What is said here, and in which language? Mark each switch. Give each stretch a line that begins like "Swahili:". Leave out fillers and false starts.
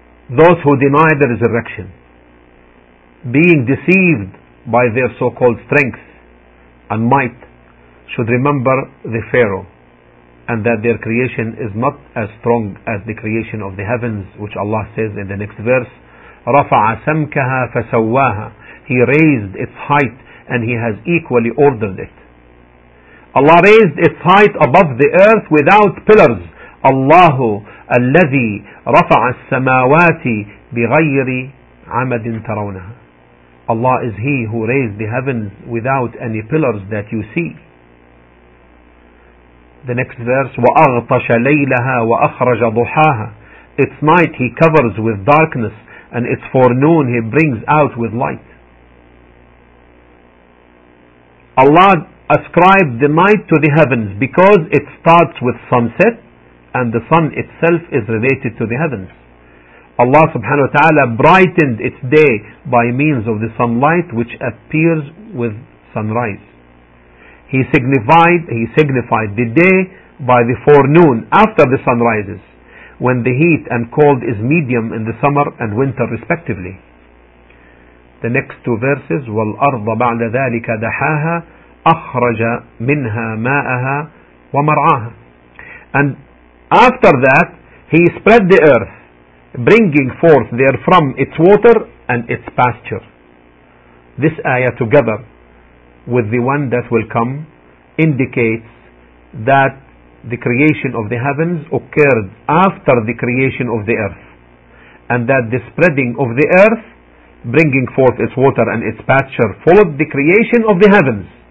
English: Those who deny the resurrection, being deceived by their so-called strength and might, should remember the Pharaoh, and that their creation is not as strong as the creation of the heavens, which Allah says in the next verse,
Arabic: رَفَعَ سَمْكَهَا فَسَوَّاهَا.
English: He raised its height and he has equally ordered it. Allah raised its height above the earth without pillars.
Arabic: Allahu الذي رفع السماوات بغير عمد ترونها.
English: Allah is He who raised the heavens without any pillars that you see. The next verse,
Arabic: وَأَغْطَشَ لَيْلَهَا وَأَخْرَجَ ضُحَاهَا.
English: Its night He covers with darkness, and its forenoon He brings out with light. Allah ascribed the night to the heavens because it starts with sunset, and the sun itself is related to the heavens. Allah subhanahu wa ta'ala brightened its day by means of the sunlight which appears with sunrise. He signified the day by the forenoon after the sun rises, when the heat and cold is medium in the summer and winter respectively. The next two verses,
Arabic: وَالْأَرْضَ بَعْدَ ذَلِكَ دَحَاهَا أَخْرَجَ مِنْهَا مَاءَهَا وَمَرْعَاهَا.
English: And after that, He spread the earth, bringing forth therefrom its water and its pasture. This ayah together with the one that will come indicates that the creation of the heavens occurred after the creation of the earth, and that the spreading of the earth, bringing forth its water and its pasture, followed the creation of the heavens.